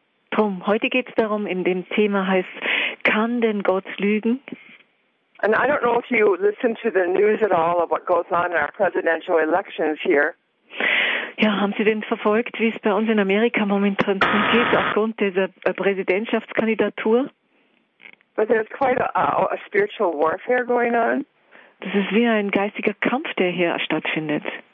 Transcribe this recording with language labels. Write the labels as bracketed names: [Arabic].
[German] Drum, heute geht es darum, in dem Thema heißt, kann denn Gott lügen? [English] And I don't know if you listen to the news at all of what goes on in our presidential elections here. [German] Ja, haben Sie denn verfolgt, wie es bei uns in Amerika momentan zugeht, aufgrund dieser Präsidentschaftskandidatur? [English] But there's quite a spiritual warfare going on. [German] Das ist wie ein geistiger Kampf, der hier stattfindet.